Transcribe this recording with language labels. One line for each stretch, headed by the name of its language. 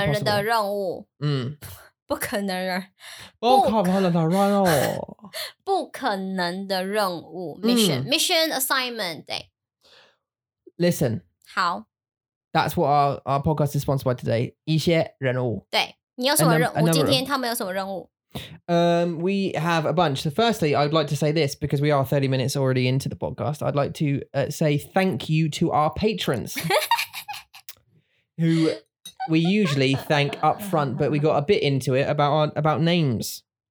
Chinese: 不可能的任务。嗯。不可能的。不可能的任务。不可能的任务。
English: Mission. Mission assignment,
Chinese: 对。
English: Listen.
Chinese: 好。
English: That's what our podcast is sponsored by today.
Chinese: 一些任务。对。你有什么任务?今天他们有什么任务?
English: We have a bunch. So firstly, I'd like to say this because we are 30 minutes already into the podcast. I'd like to say thank you to our patrons who we usually thank up front, but we got a bit into it about names.